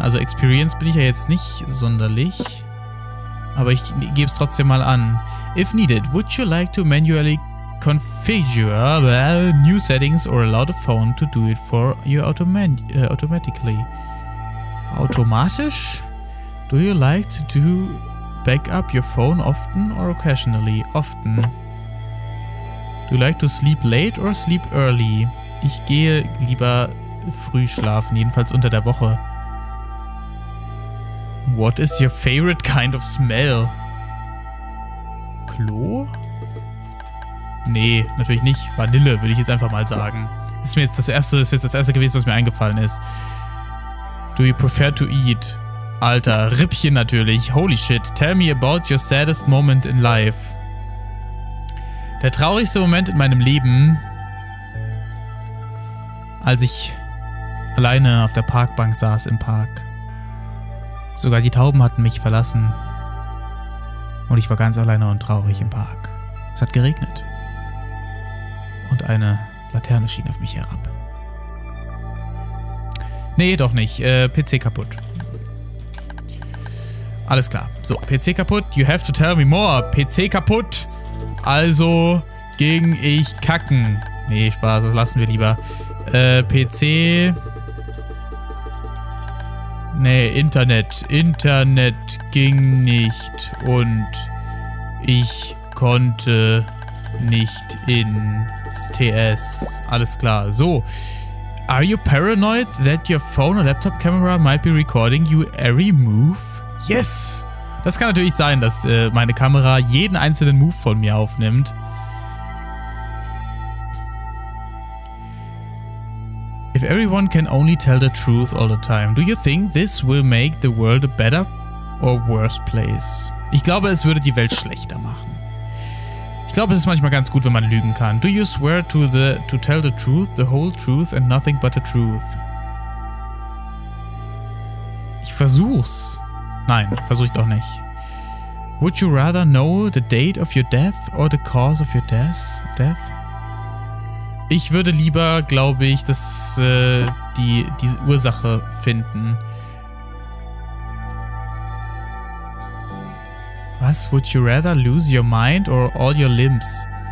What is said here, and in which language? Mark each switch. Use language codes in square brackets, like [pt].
[de] Also Experience bin ich ja jetzt nicht sonderlich. Aber ich gebe es trotzdem mal an. [en] If needed, would you like to manually configure the new settings or allow the phone to do it for you automatically? [de] Automatisch? [en] Do you like to do backup your phone often or occasionally? Often. Do you like to sleep late or sleep early? [de] Ich gehe lieber früh schlafen, jedenfalls unter der Woche. [en] What is your favorite kind of smell? [de] Klo? Nee, natürlich nicht. Vanille, will ich jetzt einfach mal sagen. Ist mir jetzt das erste, ist jetzt das erste gewesen, was mir eingefallen ist. [en] Do you prefer to eat? [de] Alter, Rippchen natürlich. [en] Holy shit. Tell me about your saddest moment in life. [de] Der traurigste Moment in meinem Leben, als ich alleine auf der Parkbank saß im Park. Sogar die Tauben hatten mich verlassen. Und ich war ganz alleine und traurig im Park. Es hat geregnet. Und eine Laterne schien auf mich herab. Nee, doch nicht. PC kaputt. Alles klar. So, PC kaputt. [en] You have to tell me more. [de] PC kaputt. Also ging ich kacken. Nee, Spaß. Das lassen wir lieber. PC... Nee, Internet. Internet ging nicht und ich konnte nicht ins TS. Alles klar. So. [en] Are you paranoid that your phone or laptop camera might be recording you every move? Yes! [de] Das kann natürlich sein, dass meine Kamera jeden einzelnen Move von mir aufnimmt. [en] If everyone can only tell the truth all the time, do you think this will make the world a better or worse place? [de] Ich glaube, es würde die Welt schlechter machen. Ich glaube, es ist manchmal ganz gut, wenn man lügen kann. [en] Do you swear to tell the truth, the whole truth and nothing but the truth? [de] Ich versuch's. Nein, versuch ich doch nicht. [en] Would you rather know the date of your death or the cause of your death? [de] Ich würde lieber, glaube ich, das, die Ursache finden. Was? [en] Would you rather lose your mind or all your limbs?